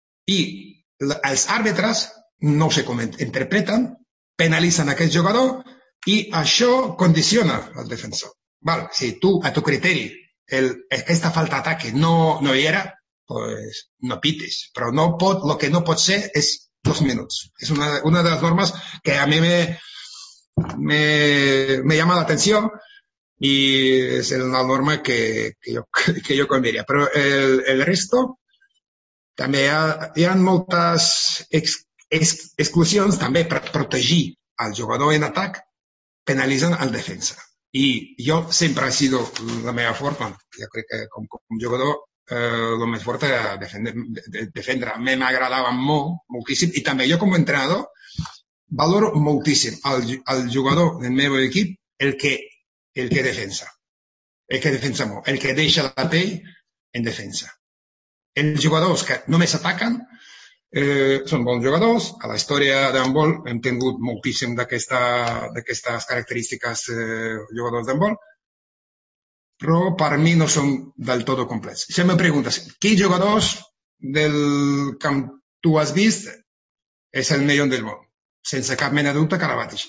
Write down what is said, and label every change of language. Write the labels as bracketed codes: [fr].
[ca] I els àrbitres, no sé com interpreten, penalitzen aquest jugador i això condiciona el defensor. Val, si tu, a tu criteri, aquesta falta d'atac no hi era, pues no pites. Però no pot, el que no pot ser és 2 minuts. És una de les normes que a mi me... [es] me llama la atención y es una norma que yo cambiaría. Pero el resto, también hay muchas exclusiones también para proteger al jugador en ataque, penalizan al defensa. Y yo siempre he sido la mejor forma, yo creo que como jugador, lo más fuerte era defender. Me agradaba muchísimo y también yo como entrenador valoro muchísimo al jugador del nuevo equipo, el que defensa, el que defensa, el que deja la piel en defensa. En los jugadores que no me atacan, son buenos jugadores. [ca] A la historia de handball hem tingut moltíssim d'aquestes característiques jugadors d'handball, però per mi no són del tot complets. Si em preguntes quins jugadors del camp tu has vist és el millor del món, sense cap mena de dubte, que ara mateix.